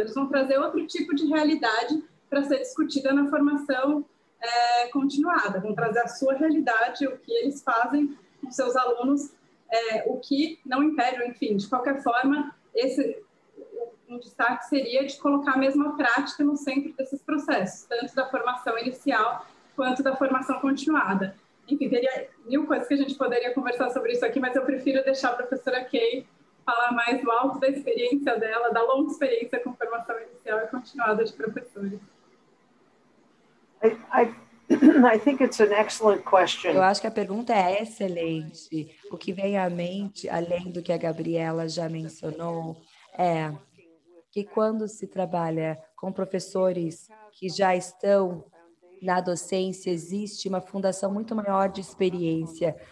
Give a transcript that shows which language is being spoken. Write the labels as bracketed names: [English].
[Portuguese] Eles vão trazer outro tipo de realidade para ser discutida na formação continuada, vão trazer a sua realidade, o que eles fazem com seus alunos, o que não impede, enfim, de qualquer forma, um destaque seria de colocar a mesma prática no centro desses processos, tanto da formação inicial quanto da formação continuada. Enfim, teria mil coisas que a gente poderia conversar sobre isso aqui, mas eu prefiro deixar a professora Kay falar mais do alto da experiência dela, da longa experiência com formação inicial e continuada de professores. [English] I think it's an excellent question. [Portuguese] Eu acho que a pergunta é excelente. O que vem à mente, além do que a Gabriela já mencionou, é que quando se trabalha com professores que já estão na docência, existe uma fundação muito maior de experiência.